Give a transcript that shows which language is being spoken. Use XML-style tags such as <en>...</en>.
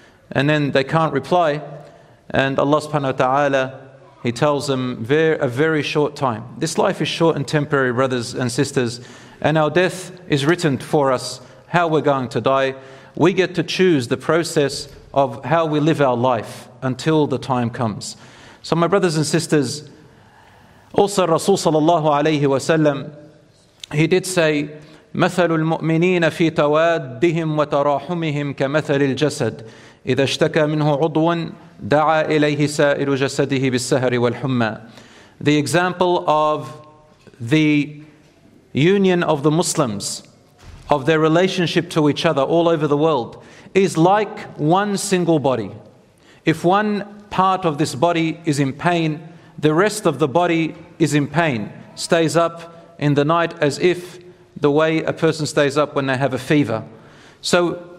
<en>And then they can't reply. And Allah subhanahu wa ta'ala, he tells them a very short time. This life is short and temporary, brothers and sisters. And our death is written for us, how we're going to die. We get to choose the process of how we live our life until the time comes. So my brothers and sisters, also Rasul sallallahu alayhi wa sallam, he did say,</en> <ar>مَثَلُ الْمُؤْمِنِينَ فِي تَوَادِّهِمْ وَتَرَاحُمِهِمْ كَمَثَلِ الْجَسَدِ إِذَا اشْتَكَى مِنْهُ عُضْوٌ دَعَى إِلَيْهِ سَائِلُ جَسَدِهِ بِالسَّهَرِ وَالْحُمَّى.</ar> <en>The example of the union of the Muslims, of their relationship to each other all over the world, is like one single body. If one part of this body is in pain, the rest of the body is in pain, stays up in the night as if the way a person stays up when they have a fever. So</en>